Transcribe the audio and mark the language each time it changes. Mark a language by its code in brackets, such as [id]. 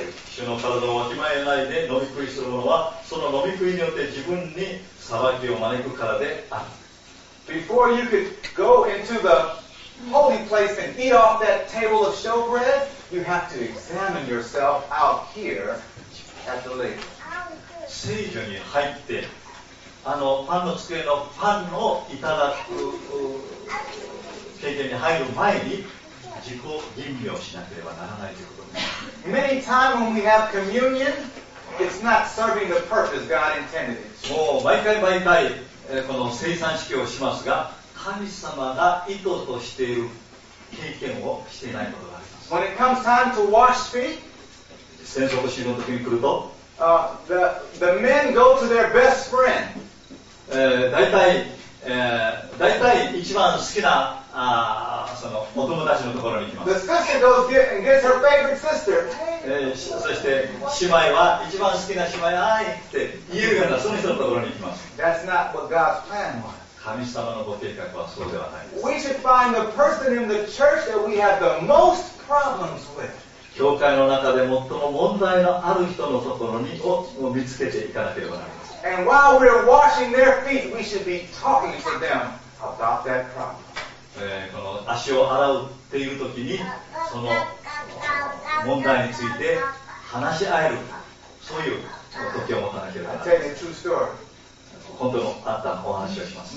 [ja] 主の体をわきまえないで飲み食いするものは、その飲み食いによって自分に裁きを招くからである。 [en] Before you could go into the holy place and eat off that table of showbread, you have to examine yourself out here at the lake. [ja] 聖所に入ってパンの机のパンをいただく経験に入る前に自己吟味をしなければならないということです。 [en] Many times when we have communion, it's not serving the purpose God intended it. [ja] もう毎回この聖餐式をしますが、神様が意図としている経験をしていないことがあります。 [en] When it comes time to wash feet, [ja] 洗足式の時に来ると、 [en] the men go to their best friend. [ja] 大体一番好きなそのお友達のところに行きます。 [en] The sister goes and gets her favorite sister. [ja] そして姉妹は一番好きな姉妹、はいって言えるようなその人のところに行きます。 [en] That's not what God's plan was. [ja] 神様のご計画はそうではないです。 [en] We should find the person in the church that we have the most problems with. [ja] 教会の中で最も問題のある人のところにを見つけていかなければなりません。 [en] And while we're washing their feet, we should be talking to them about that problem. [ja] この足を洗うというときに、その問題について話し合える、そういう時を持たなければなりません。 [en] I'll tell you a true story. [ja] 本当のあったお話をします。